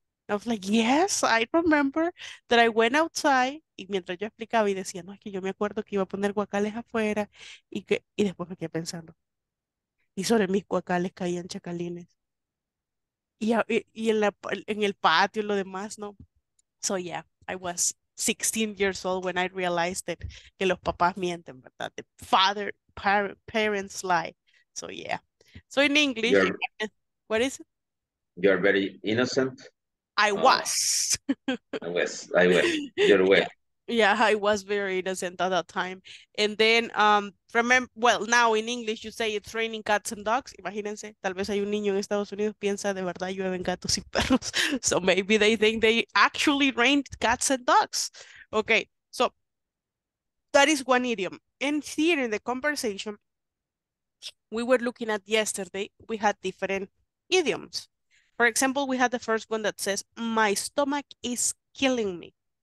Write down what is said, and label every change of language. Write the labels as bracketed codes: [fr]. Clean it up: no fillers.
[en] I was like, yes, I remember that I went outside. [es] Y mientras yo explicaba y decía, no, es que yo me acuerdo que iba a poner guacales afuera. Y después me quedé pensando. Y sobre mis guacales caían chacalines. Y en el patio y lo demás, ¿no? [en] So yeah, I was 16 years old when I realized that [es] que los papás mienten, ¿verdad? [en] The father, parents lie. So yeah. So in English, what is it? You're very innocent. I was. Yeah, I was very innocent at that time. And then, remember, well, now in English you say it's raining cats and dogs. [es] Imagínense, tal vez hay un niño en Estados Unidos piensa de verdad llueven gatos y perros. [en] So maybe they think they actually rained cats and dogs. Okay, so that is one idiom. And here in the conversation we were looking at yesterday, we had different idioms. For example, we had the first one that says, my stomach is killing me.